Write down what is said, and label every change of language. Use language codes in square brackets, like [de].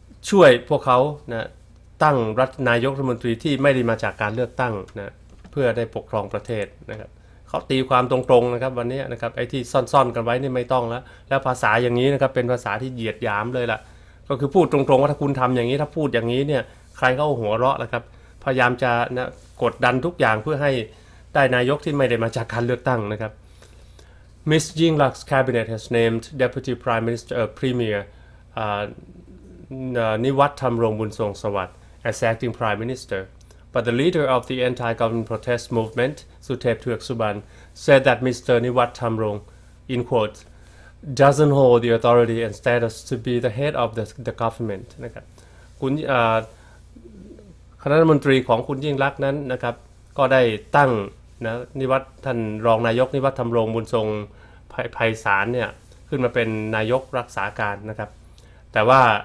[th] ช่วยพวกเขานะตั้งรัฐนายกรัฐมนตรีที่ไม่ได้มาจากการเลือกตั้งนะเพื่อได้ปกครองประเทศนะครับเขาตีความตรงๆนะครับวันนี้นะครับไอ้ที่ซ่อนๆกันไว้นี่ไม่ต้องแล้วแล้วภาษาอย่างนี้นะครับเป็นภาษาที่เหยียดหยามเลยล่ะก็คือพูดตรงๆว่าถ้าคุณทำอย่างนี้ถ้าพูดอย่างนี้เนี่ยใครเขาหัวเราะล่ะครับพยายามจะนะกดดันทุกอย่างเพื่อให้ได้นายกที่ไม่ได้มาจากการเลือกตั้งนะครับ Ms. [en] Yingluck's cabinet has named Deputy Prime Minister Premier Niwat Thamrong Buonsongsawat. As acting prime minister, but the leader of the anti-government protest movement, Suthep Thuaksuban, said that Mr. Niwat Thamrong, in quotes, doesn't hold the authority and status to be the head of the government [th] นะครับคุณคณะรัฐมนตรีของคุณยิ่งลักษณ์นั้นนะครับก็ได้ตั้งนะนิวัฒน์ท่านรองนายกนิวัฒน์ธำรงบุญทรงไพศาลเนี่ยขึ้นมาเป็นนายกรักษาการนะครับแต่ว่า